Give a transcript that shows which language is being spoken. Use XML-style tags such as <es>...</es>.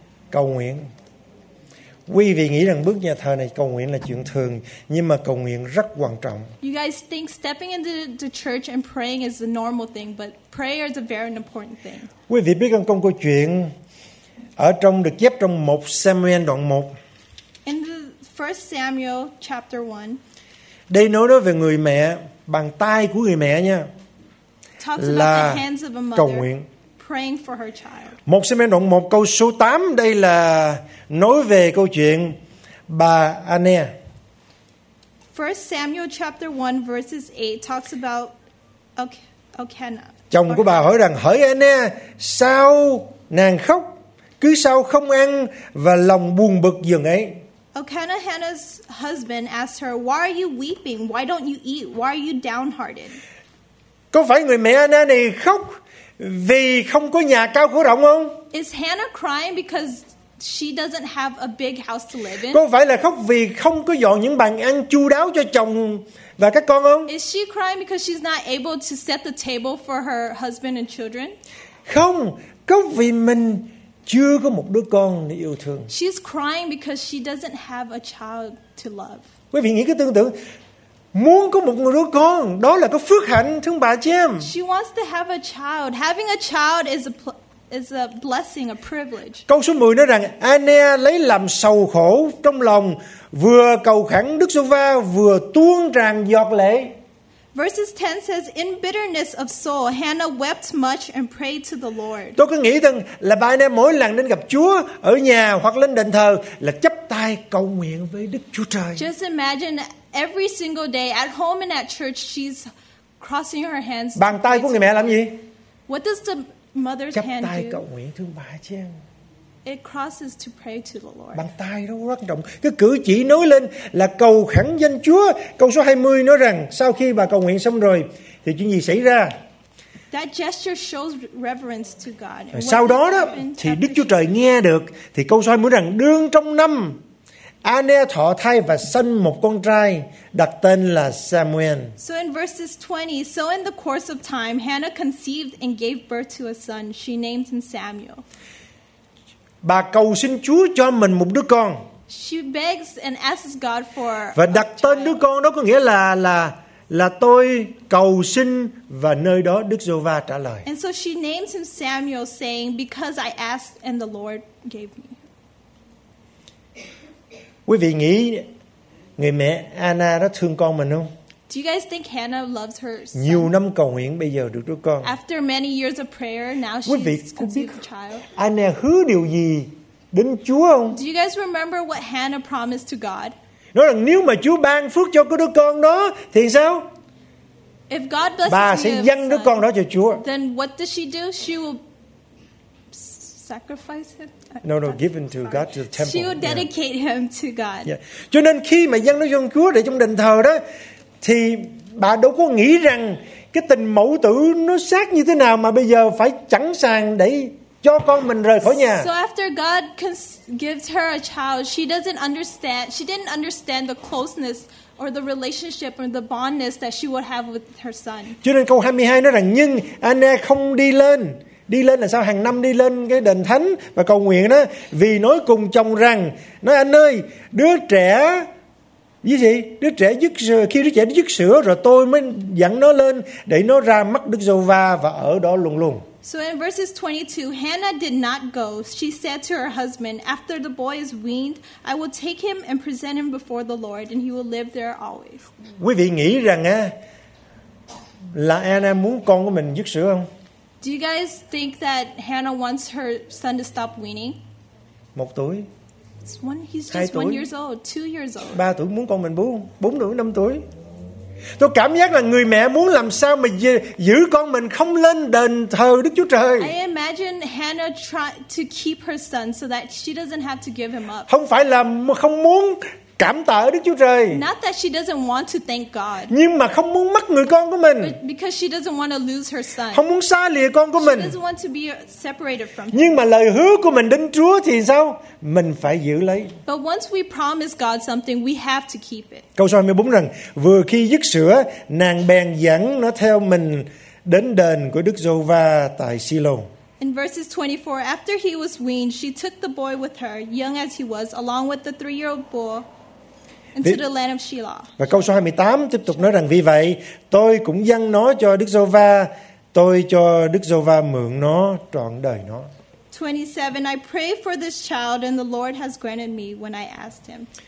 <vi>Cầu nguyện. Quý vị nghĩ rằng bước nhà thờ này cầu nguyện là chuyện thường, nhưng mà cầu nguyện rất quan trọng.</vi> <en>You guys think stepping into the church and praying is a normal thing, but prayer is a very important thing.</en> <vi>Quý vị biết không, câu chuyện ở trong được chép trong 1 Samuel đoạn 1.</vi> <en>In the 1 Samuel chapter 1.</en> <vi>Đây nói về người mẹ, bàn tay của người mẹ nha.</vi> <en>Talks about the hands of a mother.</en> <vi>Cầu nguyện.</vi> <en>Praying for her child.</en> <vi>1 Samuel đoạn 1 câu số 8, đây là nói về câu chuyện bà Ania.</vi> <en>1 Samuel chapter 1 verses 8 talks about Elkanah.</en> <vi>Chồng của bà hỏi rằng: "Hỡi Ania, sao nàng khóc? Cứ sao không ăn và lòng buồn bực dường ấy?"</vi> <en>Elkanah, Hannah's husband, asked her, "Why are you weeping? Why don't you eat? Why are you downhearted?"</en> <vi>Có phải người mẹ Ania này khóc vì không có nhà cao cửa rộng không?</vi> <en>Is Hannah crying because she doesn't have a big house to live in?</en> <vi>Có phải là khóc vì không có dọn những bàn ăn chu đáo cho chồng và các con không?</vi> <en>Is she crying because she's not able to set the table for her husband and children?</en> <vi>Không, có vì mình chưa có một đứa con để yêu thương.</vi> <en>She's crying because she doesn't have a child to love.</en> <vi>Quý vị nghĩ cái tương tự. Muốn có một người đứa con, đó là cái phước hạnh, thương bà chị em.</vi> <en>She wants to have a child. Having a child is a blessing, a privilege.</en> <vi>Câu số 10 nói rằng Ania lấy làm sầu khổ trong lòng, vừa cầu khẩn Đức Giê-hô-va vừa tuôn tràn giọt lệ.</vi> <en>Verses 10 says, in bitterness of soul, Hannah wept much and prayed to the Lord.</en> <vi>Tôi cứ nghĩ rằng là bà Ania mỗi lần đến gặp Chúa ở nhà hoặc lên đền thờ là chắp tay cầu nguyện với Đức Chúa Trời.</vi> <en>Just imagine every single day at home and at church she's crossing her hands.</en> <vi>Bàn tay của người mẹ làm gì?</vi> <en>What does the mother's</en> <vi>chắp</vi> <en>hand do?</en> <vi>Chắp tay cầu nguyện thương bà chứ.</vi> <en>It crosses to pray to the Lord.</en> <vi>Bàn tay đó rất rộng. Cái cử chỉ nói lên là cầu khẩn danh Chúa. Câu số 20 nói rằng sau khi bà cầu nguyện xong rồi thì chuyện gì xảy ra?</vi> <en>That gesture shows reverence to God.</en> <vi>Sau đó đó thì Đức Chúa Trời nghe được, thì câu số 20 nói rằng đương trong năm Ania thọ thai và sinh một con trai đặt tên là Samuel.</vi> <en>So in verses 20, so in the course of time Hannah conceived and gave birth to a son. She named him Samuel.</en> <vi>Bà cầu xin Chúa cho mình một đứa con.</vi> <en>She begs and asks God for.</en> <vi>Và đặt tên đứa con đó có nghĩa là tôi cầu xin và nơi đó Đức Giê-hô-va trả lời.</vi> <en>And so she names him Samuel saying because I asked and the Lord gave me.</en> <vi>Quý vị nghĩ người mẹ Anna đó thương con mình không?</vi> <en>Do you guys think Hannah loves her son?</en> <vi>Nhiều năm cầu nguyện bây giờ được đứa con.</vi> <en>After many years of prayer, now</en> <vi>quý vị</vi> <en>she's conceived a child.</en> <vi>Anna hứa điều gì đến Chúa không?</vi> <en>Do you guys remember what Hannah promised to God?</en> <vi>Nói rằng nếu mà Chúa ban phước cho cái đứa con đó thì sao?</vi> <en>If God blesses</en> <vi>bà sẽ dâng đứa con đó cho Chúa.</vi> <en>Then what does she do? She will sacrifice him. Given to God to the temple. She will dedicate him to God. Yeah.</en> <vi>Cho nên khi mà dâng nó cho Chúa để trong đền thờ đó, thì bà đâu có nghĩ rằng cái tình mẫu tử nó sát như thế nào mà bây giờ phải chẵn sàng để cho con mình rời khỏi nhà.</vi> <en>So after God gives her a child, she didn't understand the closeness or the relationship or the bondness that she would have with her son.</en> <vi>Cho nên câu 22 nói rằng nhưng Anna không đi lên. Đi lên là sao? Hàng năm đi lên cái đền thánh và cầu nguyện đó. Vì nói cùng chồng rằng, nói anh ơi, đứa trẻ, gì gì? Đứa trẻ dứt sữa, khi đứa trẻ dứt sữa rồi tôi mới dẫn nó lên để nó ra mắt Đức Giê-hô-va và ở đó luôn luôn.</vi> <en>So in verses 22, Hannah did not go. She said to her husband, after the boy is weaned, I will take him and present him before the Lord and he will live there always.</en> <vi>Quý vị nghĩ rằng là Anna muốn con của mình dứt sữa không?</vi> <en>Do you guys think that Hannah wants her son to stop weaning?</en> <vi>Một tuổi.</vi> <en>It's one, he's just 2</en> <vi>tuổi.</vi> <en>1 year old, 2 years old.</en> <vi>Ba tuổi muốn con mình bú, 4 tuổi, 5 tuổi. Tôi cảm giác là người mẹ muốn làm sao mà giữ con mình không lên đền thờ Đức Chúa Trời.</vi> <en>I imagine Hannah trying to keep her son so that she doesn't have to give him up.</en> <vi>Không phải là không muốn cảm tạ ở Đức Chúa Trời.</vi> <en>Not that she doesn't want to thank God.</en> <vi>Nhưng mà không muốn mất người con của mình.</vi> <en>Because she doesn't want to lose her son.</en> <vi>Không muốn xa lìa con của mình.</vi> <en>She doesn't want to be separated from him.</en> <vi>Nhưng mà lời hứa của mình đến Chúa thì sao? Mình phải giữ lấy.</vi> <en>But once we promise God something, we have to keep it.</en> <vi>Câu 24 rằng vừa khi dứt sữa, nàng bèn dẫn nó theo mình đến đền của Đức Giê-hô-va tại Si-lô.</vi> <en>In verses 24, after he was weaned, she took the boy with her, young as he was, along with the three-year-old bull, into the land of Shiloh.</en> <vi>Và câu số 28 tiếp tục nói rằng vì vậy, tôi cũng dâng nó cho Đức Giê-hô-va, tôi cho Đức Giê-hô-va mượn nó trọn đời nó.</vi> <en>27, I pray for this child and the Lord has granted me when I asked him.</en>